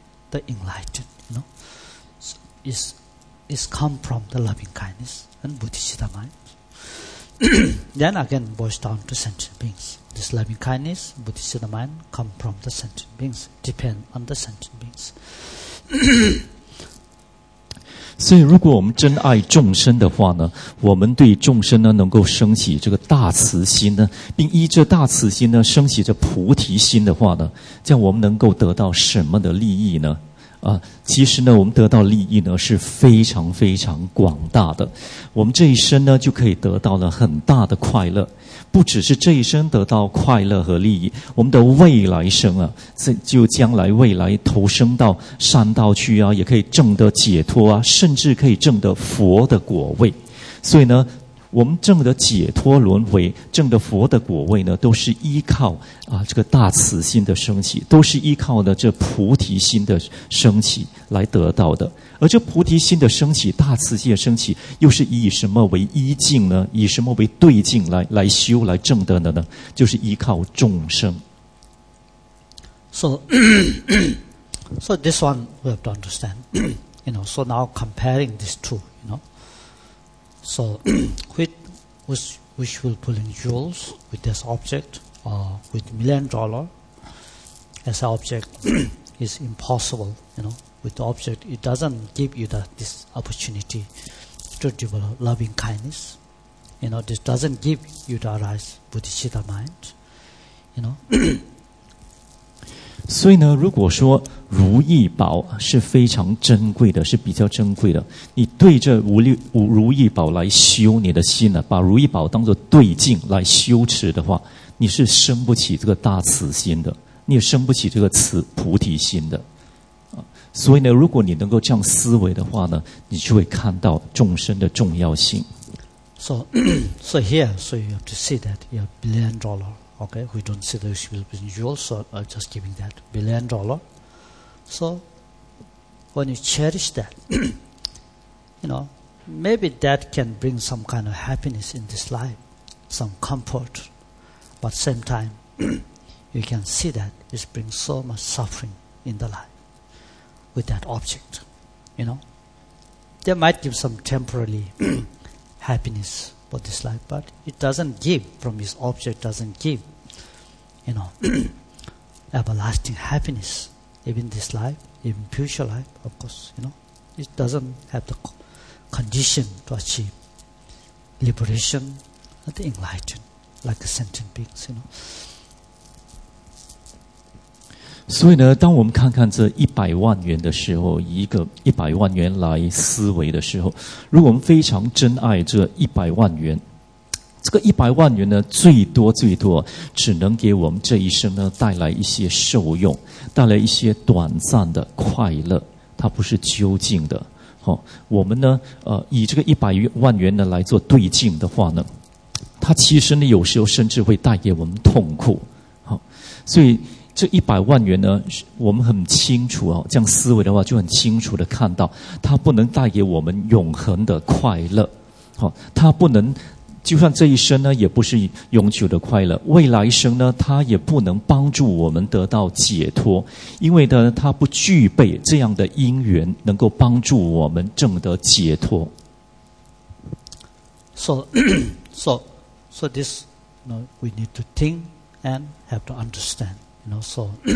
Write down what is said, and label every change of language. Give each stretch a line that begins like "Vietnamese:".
English: The enlightened, you know, so is come from the loving kindness and bodhicitta mind. Then again, boils down to sentient beings. This loving kindness, bodhicitta mind, come from the sentient beings, depend on the sentient beings.
Chinese: 所以如果我们真爱众生的话呢，我们对众生呢能够升起这个大慈心呢，并依这大慈心呢升起这菩提心的话呢，这样我们能够得到什么的利益呢？啊，其实呢我们得到利益呢是非常非常广大的，我们这一生呢就可以得到了很大的快乐，不只是这一生得到快乐和利益，我们的未来生啊，就将来未来投生到善道去啊，也可以证得解脱啊，甚至可以证得佛的果位。所以呢我们证得解脱轮回，证得佛的果位呢，都是依靠啊这个大慈心的升起，都是依靠呢这菩提心的升起来得到的。而这菩提心的升起，大慈心的升起，又是以什么为依境呢？以什么为对境来修来证得的呢？就是依靠众生。
English: So this one we have to understand, you know. So now comparing these two, you know. So, which will pull in jewels with this object, or with $1,000,000 as an object, is impossible, you know. With the object, it doesn't give you this opportunity to develop loving kindness. You know, this doesn't give you the arise bodhicitta mind, you know.
Chinese: 所以呢，如果说如意宝是非常珍贵的，是比较珍贵的，你对着如意宝来修你的心呢，把如意宝当作对镜来修持的话，你是生不起这个大慈心的，你也生不起这个菩提心的。所以呢，如果你能够这样思维的话呢，你就会看到众生的重要性。
English: So here, so you have to see that you have $1,000,000. Okay, we don't see the usual visual, so I'm just giving that $1,000,000,000. So, when you cherish that, you know, maybe that can bring some kind of happiness in this life, some comfort. But same time, you can see that it brings so much suffering in the life with that object, you know. They might give some temporary happiness for this life, but it doesn't give, from this object, doesn't give. You know, everlasting happiness, even this life, even future life, of course, you know, it doesn't have the condition to achieve liberation and enlightenment like the sentient beings, you know.
Chinese: 所以呢，当我们看看这$1,000,000的时候，以一个$1,000,000来思维的时候，如果我们非常珍爱这$1,000,000。这个$1,000,000呢，最多最多只能给我们这一生呢带来一些受用，带来一些短暂的快乐，它不是究竟的。哦，我们呢，以这个$1,000,000呢来做对镜的话呢，它其实呢有时候甚至会带给我们痛苦。哦，所以这$1,000,000呢，我们很清楚啊，这样思维的话就很清楚的看到，它不能带给我们永恒的快乐。哦，它不能。就算这一生呢，也不是永久的快乐，未来生呢，它也不能帮助我们得到解脱，因为呢，它不具备这样的因缘，能够帮助我们证得解脱。
English: So this, you know, we need to think and have to understand, you know, so.